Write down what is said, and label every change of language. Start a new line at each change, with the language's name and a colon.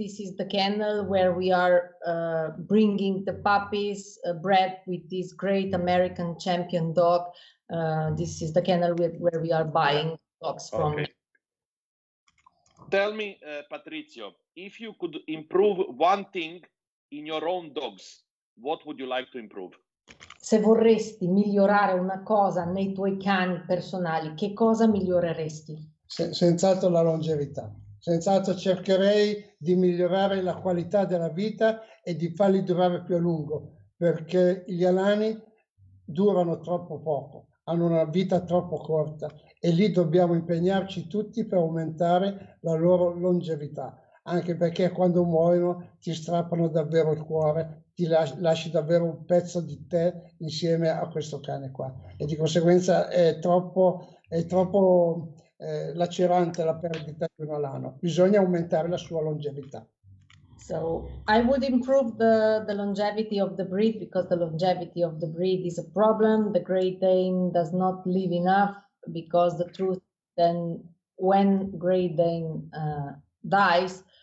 English: This is the kennel where we are bringing the puppies bred with this great American champion dog. This is the kennel where we are buying dogs from. Okay. Tell me, Patrizio, if you could improve one thing in your own dogs, what would you like to improve?
Italian: Se vorresti migliorare una cosa nei tuoi cani personali, che cosa miglioreresti? Senz'altro la longevità. Senz'altro cercherei di migliorare la qualità della vita e di farli durare più a lungo, perché gli alani durano troppo poco, hanno una vita troppo corta, e lì dobbiamo impegnarci tutti per aumentare la loro longevità, anche perché quando muoiono ti strappano davvero il cuore, ti lasci davvero un pezzo di te insieme a questo cane qua. E di conseguenza è troppo lacerante la perdita di un alano. Bisogna aumentare la sua longevità.
English: So, I would improve the longevity of the breed, because the longevity of the breed is a problem. The Great Dane does not live enough, because the truth then when Great Dane dies,